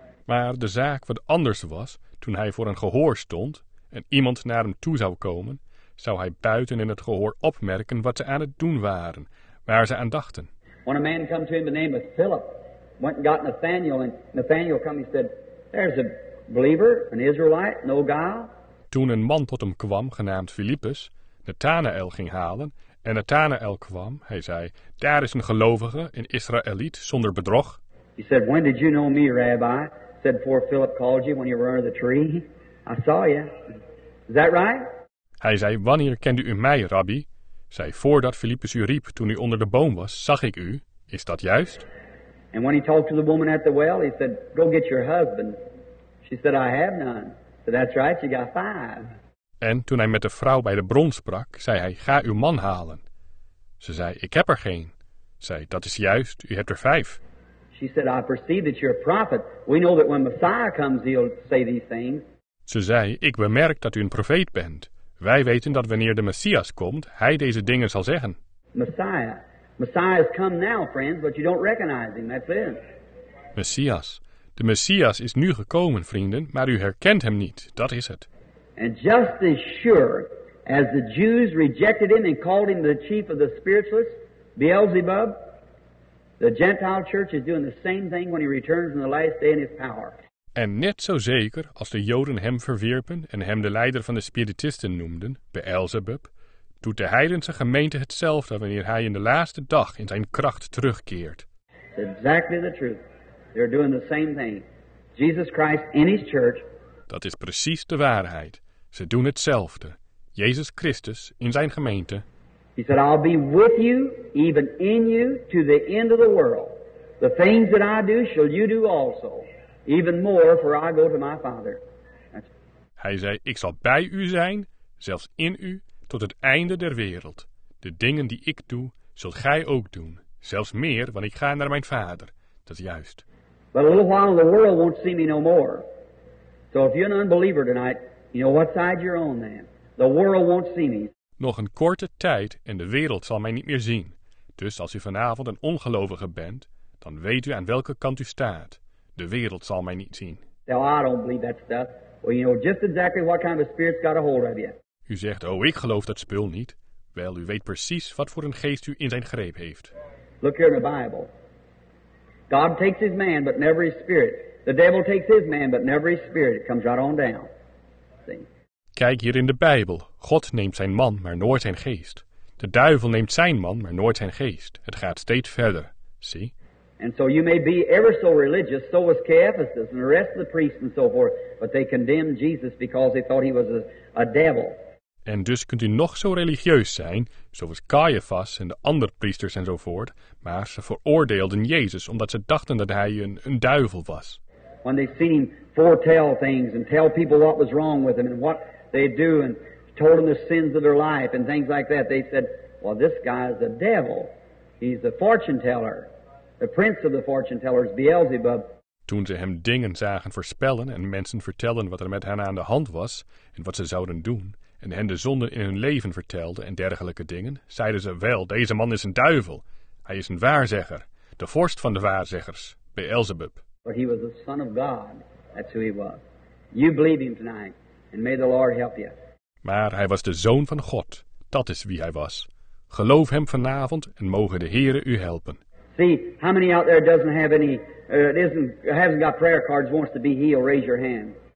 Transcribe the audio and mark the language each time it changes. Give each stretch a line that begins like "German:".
Dutch: Maar de zaak wat anders was, toen hij voor een gehoor stond en iemand naar hem toe zou komen, zou hij buiten in het gehoor opmerken wat ze aan het doen waren, waar ze aan dachten.
English: When a man come to him, the name of Philip, went and got Nathaniel, and Nathaniel come, he said, there's a believer, an Israelite, no guile.
Dutch: Toen een man tot hem kwam, genaamd Filippus, Nathanael ging halen, en Nathanael kwam, hij zei, daar is een gelovige, een Israëliet, zonder bedrog.
English: He said, when did you know me, Rabbi? Said, before Philip called you, when you were under the tree. I saw you. Is that right?
Dutch: Hij zei, wanneer kende u mij, Rabbi? Zei, voordat Filippus u riep, toen u onder de boom was, zag ik u. Is dat juist?
English: And when he talked to the woman at the well, he said, go get your husband. She said, I have none. So that's right, you got five.
Dutch: En toen hij met de vrouw bij de bron sprak, zei hij, ga uw man halen. Ze zei, ik heb er geen. Zei, dat is juist, u hebt er vijf.
English: She said, I perceive that you're a prophet. We know that when Messiah comes, he'll say these things.
Dutch: Ze zei, ik bemerk dat u een profeet bent. Wij weten dat wanneer de Messias komt, hij deze dingen zal zeggen.
English: Messiah. Messiah has come now, friends, but you don't recognize him. That's it.
Dutch: Messias. De Messias is nu gekomen, vrienden, maar u herkent hem niet. Dat is het.
English: And just as sure as the Jews rejected him and called him the chief of the spiritualists, Beelzebub, the Gentile church is doing the same thing when he returns in the last day in his power.
Dutch: En net zo zeker als de Joden hem verwierpen en hem de leider van de spiritisten noemden, Beelzebub, doet de heidense gemeente hetzelfde wanneer hij in de laatste dag in zijn kracht terugkeert.
English: Exactly the truth. They're doing the same thing. Jesus Christ in his church.
Dutch: Dat is precies de waarheid. Ze doen hetzelfde. Jezus Christus in zijn gemeente.
English: He said, I'll be with you, even in you, to the end of the world. The things that I do, shall you do also. Even more, for I go to my Father.
Dutch: Hij zei, ik zal bij u zijn, zelfs in u, tot het einde der wereld. De dingen die ik doe, zult gij ook doen. Zelfs meer, want ik ga naar mijn vader. Dat is juist.
English: But a little while the world won't see me no more. So if you're an unbeliever tonight, you know what side you're on then. The world won't see me.
Dutch: Nog een korte tijd en de wereld zal mij niet meer zien. Dus als u vanavond een ongelovige bent, dan weet u aan welke kant u staat. De wereld zal mij niet zien.
English: Now I don't believe that stuff. Well, you know just exactly what kind of spirit's got a hold of you.
Dutch: U zegt, oh, ik geloof dat spul niet. Wel, u weet precies wat voor een geest u in zijn greep heeft.
English: Look here in the Bible. God takes his man, but never his spirit. The devil takes his man, but never his spirit. It comes right on down. See?
Dutch: Kijk hier in de Bijbel. God neemt zijn man, maar nooit zijn geest. De duivel neemt zijn man, maar nooit zijn geest. Het gaat steeds verder.
English: See? And so you may be ever so religious, so was Caiaphas and the rest of the priests and so forth, but they condemned Jesus because they thought he was a devil.
Dutch: En dus kunt u nog zo religieus zijn, zoals Caiaphas en de andere priesters enzovoort, maar ze veroordeelden Jezus omdat ze dachten dat hij een duivel was.
English: When they seen him foretell things and tell people what was wrong with him and what they'd do and told them the sins of their life and things like that, they said, well, this guy is a devil. He's a fortune teller. The prince of the fortune tellers, Beelzebub.
Dutch: Toen ze hem dingen zagen voorspellen en mensen vertellen wat er met hen aan de hand was en wat ze zouden doen, en hen de zonden in hun leven vertelde en dergelijke dingen, zeiden ze, wel, deze man is een duivel. Hij is een waarzegger, de vorst van de waarzeggers, Beelzebub.
English: But he was the son of God, that's who he was. You believe him tonight, and may the Lord help you.
Dutch: Maar hij was de zoon van God, dat is wie hij was. Geloof hem vanavond en mogen de Heere u helpen.
English: See, how many out there doesn't have any, hasn't got prayer cards, wants to be healed, raise your hand.